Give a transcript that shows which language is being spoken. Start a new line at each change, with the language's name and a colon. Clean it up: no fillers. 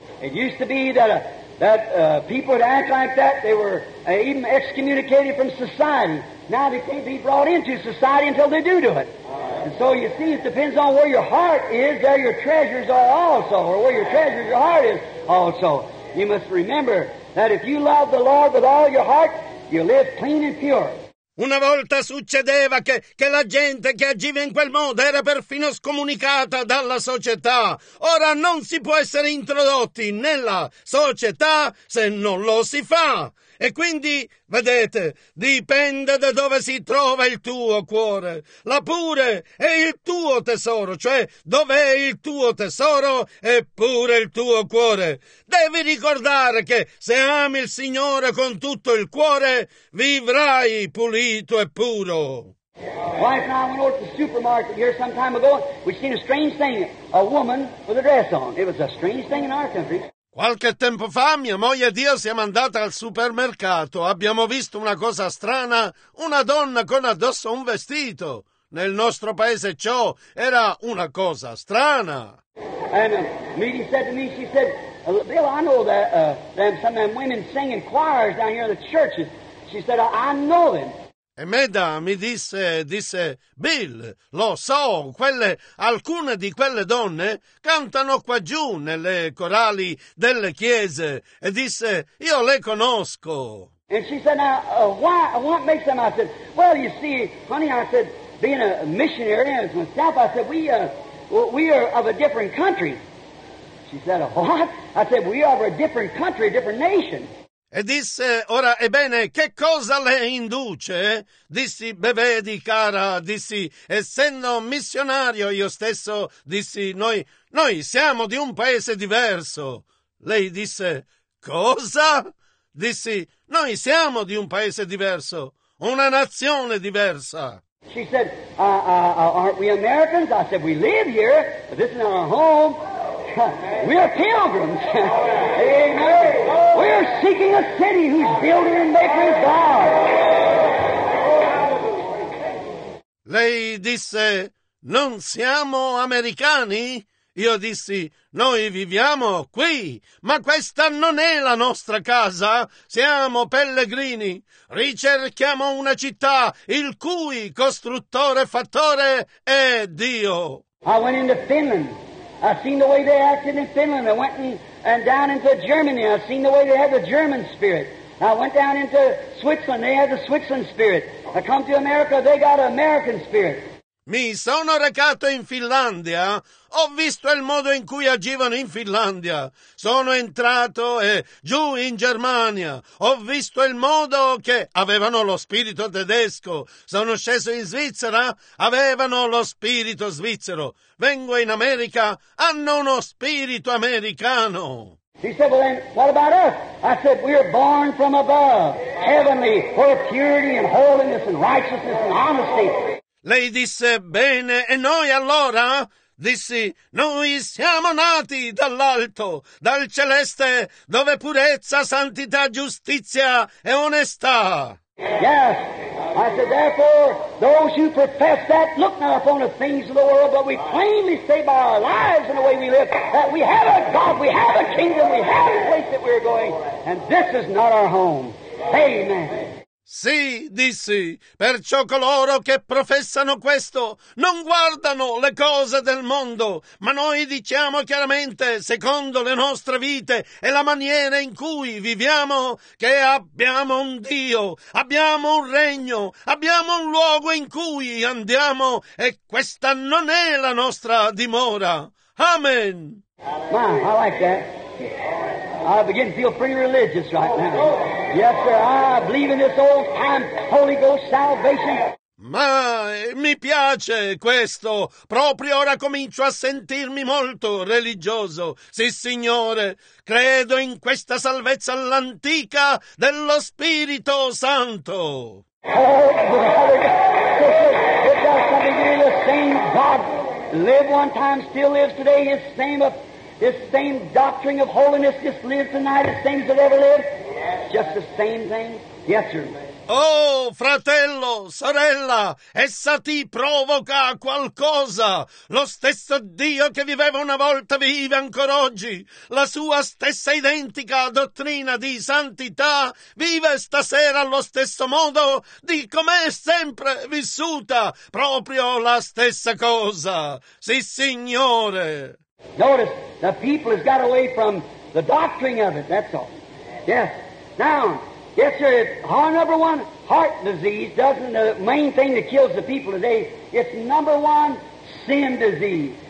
English: It used to be that people would act like that, they were even excommunicated from society. Now they can't be brought into society until they do it. And so you see, it depends on where your heart is, there your treasures are also, or where your treasures, your heart is also. You must remember that if you love the Lord with all your heart, you live clean and pure.
Italian: Una volta succedeva che la gente che agiva in quel modo era perfino scomunicata dalla società. Ora non si può essere introdotti nella società se non lo si fa. E quindi, vedete, dipende da dove si trova il tuo cuore. La pure è il tuo tesoro, cioè dov'è il tuo tesoro è pure il tuo cuore. Devi ricordare che se ami il Signore con tutto il cuore, vivrai pulito e puro.
English: Wife and I went over to the supermarket here some time ago. We seen a strange thing, a woman with a dress on. It was a strange thing in our country.
Italian: Qualche tempo fa mia moglie ed io siamo andati al supermercato. Abbiamo visto una cosa strana, una donna con addosso un vestito. Nel nostro paese ciò era una cosa strana.
English: And Meady said to me, she said, "Bill, I know that some of them women sing in choirs down here in the churches." She said, "I know them."
Italian: E Meda mi disse, "Bill, lo so, alcune di quelle donne cantano qua giù nelle corali delle chiese." E disse, "Io le conosco."
English: And she said, "Now, what makes them?" I said, "Well, you see, honey," I said, "being a missionary as myself," I said, we are of a different country." She said, "What?" I said, "We are of a different country, a different nation."
Italian: E disse, "Ora, ebbene, che cosa le induce?" Dissi, "Vedi, cara," dissi, "essendo missionario io stesso," dissi, noi siamo di un paese diverso." Lei disse, "Cosa?" Dissi, "Noi siamo di un paese diverso, una nazione diversa."
English: She said, "Aren't we Americans?" I said, "We live here, but this is not our home. We are pilgrims. Amen. We are seeking a city whose builder and maker is God."
Italian: Lei disse, "Non siamo americani?" Io dissi, "Noi viviamo qui, ma questa non è la nostra casa. Siamo pellegrini. Ricerchiamo una città il cui costruttore e fattore è Dio."
English: I went into Finland. I seen the way they acted in Finland. I went and down into Germany. I seen the way they had the German spirit. I went down into Switzerland. They had the Switzerland spirit. I come to America. They got an American spirit.
Italian: Mi sono recato in Finlandia, ho visto il modo in cui agivano in Finlandia, sono entrato giù in Germania, ho visto il modo che avevano lo spirito tedesco, sono sceso in Svizzera, avevano lo spirito svizzero, vengo in America, hanno uno spirito americano.
English: He said, well then, what about us? I said, we are born from above, heavenly, for purity and holiness and righteousness and honesty.
Italian: Lei disse, bene, e noi allora? Dissi, noi siamo nati dall'alto, dal celeste, dove purezza, santità, giustizia e onestà.
English: Yes, I said, therefore, those who profess that, look not upon the things of the world, but we plainly say by our lives and the way we live, that we have a God, we have a kingdom, we have a place that we're going, and this is not our home. Amen.
Italian: Sì, dissi, perciò coloro che professano questo non guardano le cose del mondo, ma noi diciamo chiaramente, secondo le nostre vite e la maniera in cui viviamo, che abbiamo un Dio, abbiamo un regno, abbiamo un luogo in cui andiamo e questa non è la nostra dimora. Amen.
English: Ma, I like that. I begin to feel pretty religious right now. Yes, sir, I believe in this old time Holy Ghost salvation.
Italian: Ma mi piace questo. Proprio ora comincio a sentirmi molto religioso. Sì, signore, credo in questa salvezza all'antica dello Spirito Santo.
English: Oh, brother, it's got something to do with the same God. Live one time, still lives today. His same doctrine of holiness just lives tonight, the same as it ever lived. Just the same thing. Yes, sir.
Italian: Oh, fratello, sorella, essa ti provoca qualcosa. Lo stesso Dio che viveva una volta vive ancora oggi. La sua stessa identica dottrina di santità vive stasera allo stesso modo di com'è sempre vissuta. Proprio la stessa cosa. Sì, signore.
English: Notice, the people has got away from the doctrine of it, that's all. Yes. Now, yes, sir, our number one heart disease doesn't, the main thing that kills the people today, it's number one sin disease.